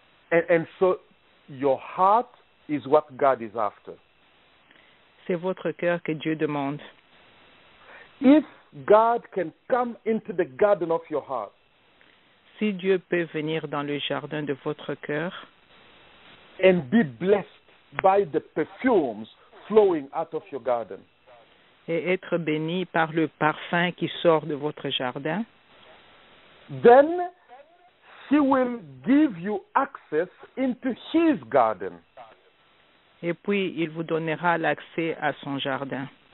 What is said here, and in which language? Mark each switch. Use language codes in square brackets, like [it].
[en] And so, your heart is what God is after. [fr] C'est votre cœur que Dieu demande. [en] If God can come into the garden of your heart, [fr] si Dieu peut venir dans le jardin de votre cœur, [en] and be blessed by the perfumes flowing out of your garden, [fr] et être béni par le parfum qui sort de votre jardin, [en] then He will give you access into His garden. [fr] Et puis il vous donnera l'accès à son jardin.